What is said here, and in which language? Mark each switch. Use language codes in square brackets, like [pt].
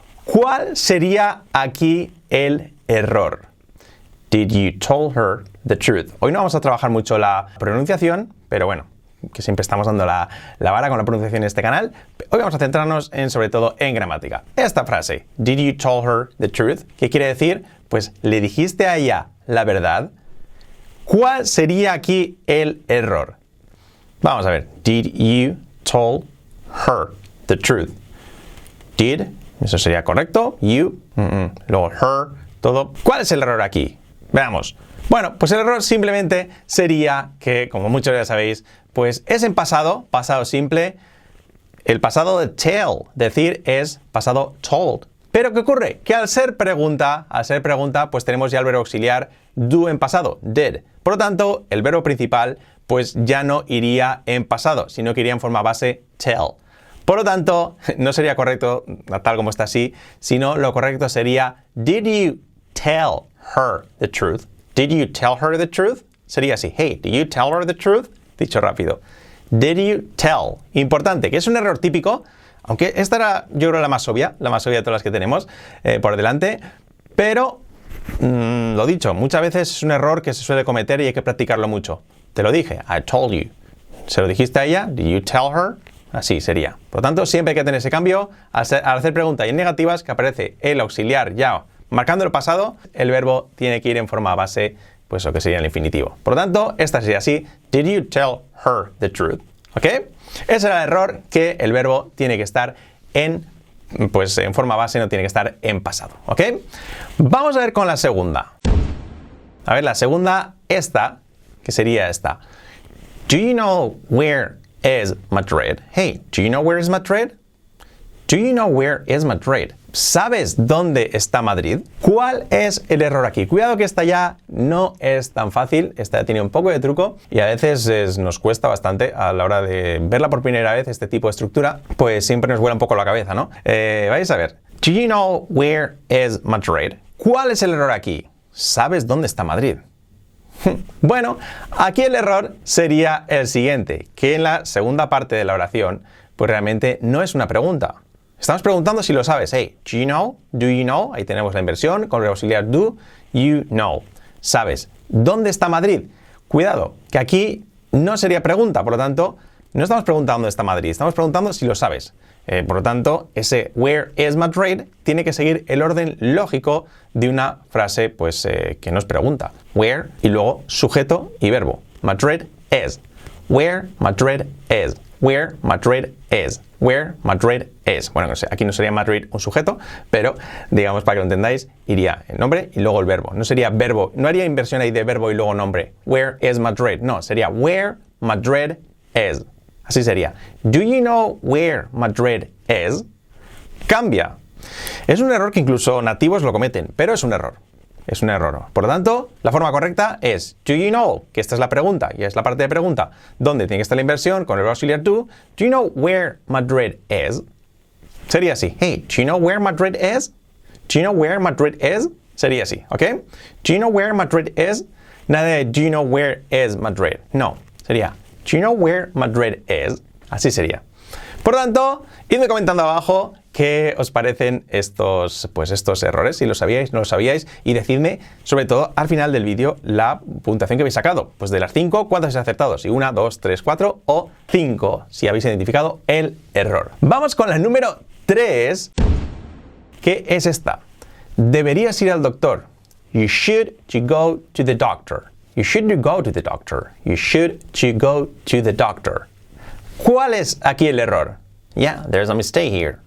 [es] ¿Cuál sería aquí el error? [en] Did you tell her the truth? [es] Hoy no vamos a trabajar mucho la pronunciación, pero bueno, que siempre estamos dando la vara con la pronunciación en este canal. Hoy vamos a centrarnos en, sobre todo, en gramática. Esta frase, [en] did you tell her the truth? [es] ¿Qué quiere decir? Pues, ¿le dijiste a ella la verdad? ¿Cuál sería aquí el error? Vamos a ver, [en] did you tell her the truth? [es] Did, eso sería correcto, you, luego her, todo. ¿Cuál es el error aquí? Veamos. Bueno, pues el error simplemente sería que, como muchos ya sabéis, pues es en pasado, pasado simple. El pasado de tell, decir, es pasado told. Pero ¿qué ocurre? Que al ser pregunta, pues tenemos ya el verbo auxiliar do en pasado, did. Por lo tanto, el verbo principal pues ya no iría en pasado, sino que iría en forma base tell. Por lo tanto, no sería correcto tal como está así, sino lo correcto sería [en] did you tell her the truth? Did you tell her the truth? [es] Sería así. [en] Hey, did you tell her the truth? [es] Dicho rápido. [en] Did you tell? [es] Importante, que es un error típico, aunque esta era, yo creo, la más obvia de todas las que tenemos por delante, pero lo dicho, muchas veces es un error que se suele cometer y hay que practicarlo mucho. Te lo dije, [en] I told you. [es] ¿Se lo dijiste a ella? [en] Did you tell her? [es] Así sería. Por lo tanto, siempre hay que tener ese cambio. Al hacer preguntas y en negativas, que aparece el auxiliar ya marcando el pasado, el verbo tiene que ir en forma base, pues lo que sería el infinitivo. Por lo tanto, esta sería así. [en] Did you tell her the truth? ¿Ok? [es] Ese era el error, que el verbo tiene que estar en forma base, no tiene que estar en pasado. ¿Ok? Vamos a ver con la segunda. A ver, la segunda, esta, que sería esta. [en] Do you know where is Madrid? Hey, do you know where is Madrid? Do you know where is Madrid? [es] ¿Sabes dónde está Madrid? ¿Cuál es el error aquí? Cuidado, que esta ya no es tan fácil. Esta ya tiene un poco de truco y a veces nos cuesta bastante a la hora de verla por primera vez, este tipo de estructura, pues siempre nos vuela un poco la cabeza, ¿no? Vais a ver. [en] Do you know where is Madrid? [es] ¿Cuál es el error aquí? ¿Sabes dónde está Madrid? Bueno, aquí el error sería el siguiente, que en la segunda parte de la oración, pues realmente no es una pregunta. Estamos preguntando si lo sabes. [en] Hey, do you know? Do you know? [es] Ahí tenemos la inversión con el auxiliar do. [en] You know. [es] ¿Sabes dónde está Madrid? Cuidado, que aquí no sería pregunta. Por lo tanto, no estamos preguntando dónde está Madrid. Estamos preguntando si lo sabes. Por lo tanto, ese [en] where is Madrid [es] tiene que seguir el orden lógico de una frase pues que nos pregunta. Where y luego sujeto y verbo. [en] Madrid is. Where Madrid is. Where Madrid is. Where Madrid is. [es] Bueno, no sé, aquí no sería Madrid un sujeto, pero digamos, para que lo entendáis, iría el nombre y luego el verbo. No sería verbo, no haría inversión ahí de verbo y luego nombre. [en] Where is Madrid? [es] No, sería [en] where Madrid is. [es] Así sería. [en] Do you know where Madrid is? [es] Cambia. Es un error que incluso nativos lo cometen, pero es un error. Es un error. Por lo tanto, la forma correcta es [en] do you know, [es] que esta es la pregunta y es la parte de pregunta, ¿dónde tiene que estar la inversión con el verbo auxiliar to? [en] Do you know where Madrid is? [es] Sería así. [en] Hey, do you know where Madrid is? Do you know where Madrid is? [es] Sería así, ¿ok? [en] Do you know where Madrid is? [es] Nada de [en] do you know where is Madrid. [es] No, sería [en] do you know where Madrid is? [es] Así sería. Por lo tanto, idme comentando abajo qué os parecen estos errores, si lo sabíais, no lo sabíais, y decidme, sobre todo, al final del vídeo, la puntuación que habéis sacado. Pues de las 5, ¿cuántas habéis acertado? Si 1, 2, 3, 4 o 5, si habéis identificado el error. Vamos con la número 3, que es esta. Deberías ir al doctor. [en] You should to go to the doctor. You should to go to the doctor. You should to go to the doctor. [es] ¿Cuál es aquí el error? [en] Yeah, there's a mistake here.